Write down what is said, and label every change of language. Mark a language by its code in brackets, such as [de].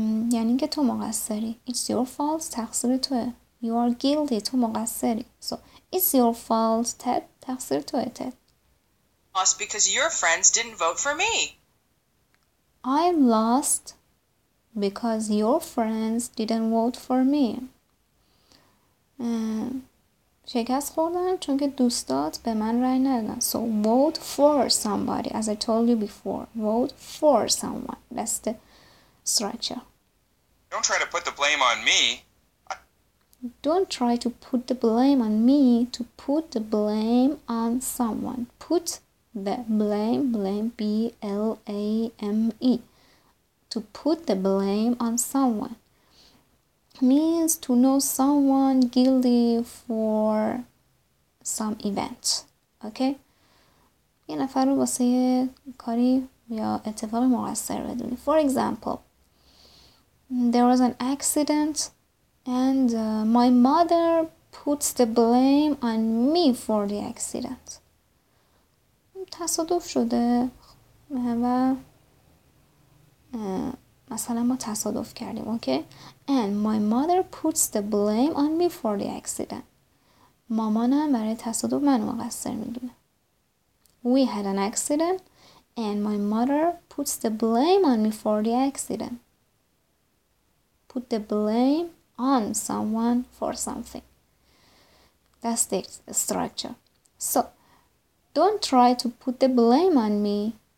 [fa] یعنی که تو مقصری. [en] It's your fault. [fa] تقصیر توه. [en] You are guilty. [fa] تو مقصری. [en] So, it's your fault, Ted. [fa] تقصیر توه, [en] Ted. Lost because your friends didn't vote for me. I lost because your friends didn't vote for me. [fa] شکست خوردن چون که دوستات به من رأی ندادن. [en] So vote for somebody, as I told you before. Vote for someone. That's the structure. Don't try to put the blame on me. Don't try to put the blame on me. To put the blame on someone. Put the blame. Blame. B-L-A-M-E. To put the blame on someone means to know someone guilty for some event. Okay? [fa] یه نفر رو واسه کاری یا اتفاق مقصر بدونی. [en] For example, there was an accident and my mother puts the blame on me for the accident. [fa] تصادف شده و مثلا ما تصادف کردیم, okay? [en] And my mother puts the blame on me for the accident. [fa] مامانم برای تصادف منو مقصر میدونه. [en] We had an accident and my mother puts the blame on me for the accident. Put the blame on someone for something. That's the structure. So, don't try to put the blame on me.